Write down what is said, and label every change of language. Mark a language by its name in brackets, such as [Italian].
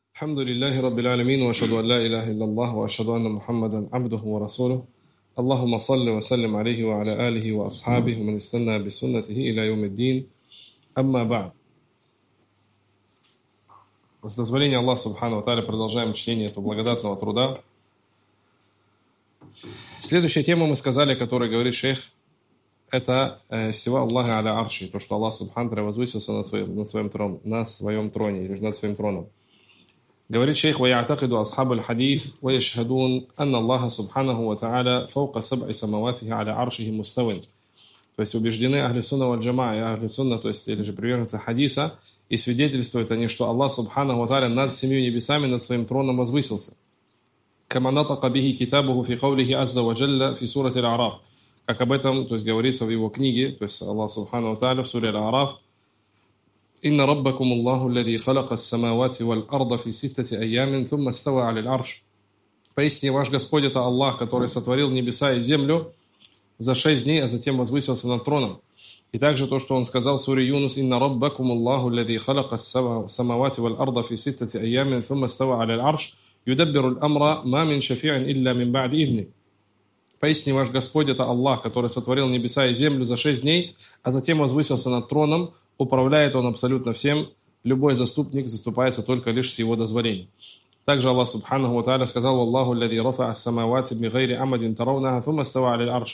[Arabic] الحمد لله رب العالمين وأشهد أن لا إله إلا الله وأشهد أن محمدا عبده ورسوله اللهم صل وسلم عليه وعلى آله وأصحابه ومن استنى بسنته إلى يوم الدين أما بعد. [Russian] С дозволения Аллаха Субхана ва Тааля продолжаем чтение этого благодатного труда. Следующая тема, мы сказали, о которой говорит шейх, это сива Аллаха аля арши, то, что Аллах Субхан превозвысился на своем троне, или над своим троном. Говорит шейх, [Arabic] ويعتقد أصحاب الحديث ويشهدون أن الله سبحانه وتعالى فوق سبع سماواته على عرشه مستوى. [Russian] То есть убеждены [Arabic] أهل السنة والجماعة, أهل السنة, [Russian] то есть или же приверженцы хадиса, и свидетельствуют они, что Аллах سبحانه وتعالى над семью небесами, над своим троном возвысился. [Arabic] كما نطق به كتابه في قوله عز وجل في سورة الأعراف. [Russian] Как об этом, то есть говорится в его книге, то есть Аллах سبحانه وتعالى в суре Аль-Араф. [Arabic] إن ربكم الله الذي خلق السماوات والأرض في ستة أيام ثم استوى على العرش. [Russian] Поистине ваш Господь это Аллах, который сотворил небеса и землю за шесть дней, а затем возвысился над троном. И также то, что он сказал в суре Юнус: [Arabic] إن ربكم الله الذي خلق السماوات والأرض في ستة أيام ثم استوى على العرش يدبر الأمر ما من شفيع إلا من بعد إذنه. [Russian] Поистине ваш Господь это Аллах, который сотворил небеса и землю за шесть дней, а затем возвысился над троном. Управляет он абсолютно всем, любой заступник заступается только лишь с его дозволения. Также Аллах Субханаху ва Тааля сказал: «Аллаху, лязи рафа ас-самавати бигайри амадин тарауна, фума става аля аль-арш».